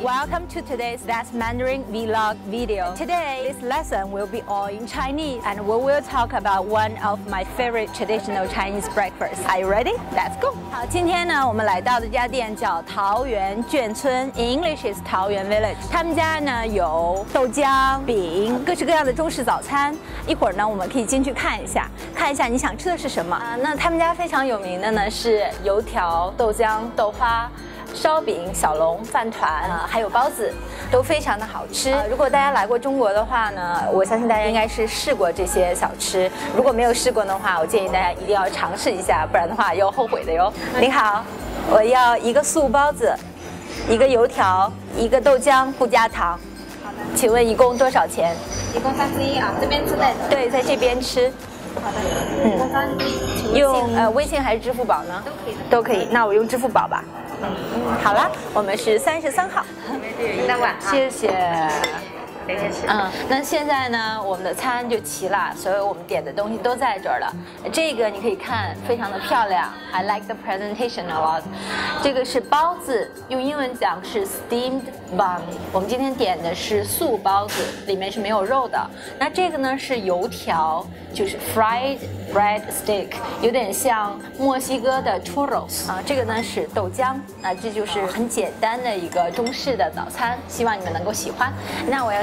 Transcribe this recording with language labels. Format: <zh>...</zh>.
<en>Welcome to today's That's Mandarin Vlog video. Today, this lesson will be all in Chinese, and we will talk about one of my favorite traditional Chinese breakfasts. Are you ready? Let's go.</en> <zh>好，今天呢，我们来到的家店叫桃园眷村 ，</zh> <en>In English is</en> <zh>桃园 Village. 他们家呢有豆浆、饼、各式各样的中式早餐。一会儿呢，我们可以进去看一下，看一下你想吃的是什么。那他们家非常有名的呢是油条、豆浆、豆花。烧饼、小龙、饭团，还有包子，都非常的好吃。如果大家来过中国的话呢，我相信大家应该是试过这些小吃。如果没有试过的话，我建议大家一定要尝试一下，不然的话要后悔的哟。您好，我要一个素包子，一个油条，一个豆浆，不加糖。好的。请问一共多少钱？一共三分一啊，这边之内的。对，在这边吃。好的。嗯。用微信还是支付宝呢？都可以的。都可以，那我用支付宝吧。嗯，好了，我们是33号，应当管，谢谢。嗯，那现在呢，我们的餐就齐了，所以我们点的东西都在这儿了。这个你可以看，非常的漂亮 ，</zh> <en>I like the presentation a lot。</en> <zh>这个是包子，用英文讲是 steamed bun。我们今天点的是素包子，里面是没有肉的。那这个呢是油条，就是 fried bread stick， 有点像墨西哥的 churros。啊，这个呢是豆浆，那这就是很简单的一个中式的早餐，希望你们能够喜欢。那我要。</zh>